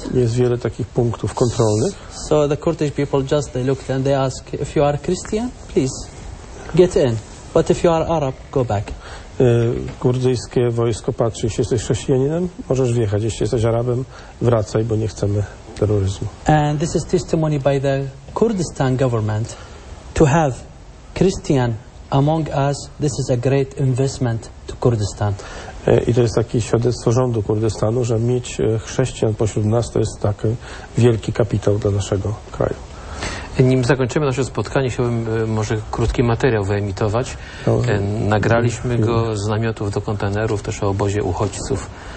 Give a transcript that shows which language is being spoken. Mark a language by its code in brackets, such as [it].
[pl] Jest wiele takich punktów kontrolnych. [en] So the Kurdish people just they looked and they ask, if you are Christian, please get in. But if you are Arab, go back. [pl] Kurdyjskie wojsko patrzy, jeśli jesteś chrześcijaninem, możesz wjechać. Jeśli jesteś Arabem, wracaj, bo nie chcemy terroryzmu. [en] And this is testimony by the Kurdistan government to have Christian among us, this is a great investment to Kurdistan. [pl] I to jest takie świadectwo rządu Kurdystanu, że mieć chrześcijan pośród nas to jest taki wielki kapitał dla naszego kraju. Nim zakończymy nasze spotkanie, chciałbym może krótki materiał wyemitować. Nagraliśmy go z namiotów do kontenerów, też o obozie uchodźców.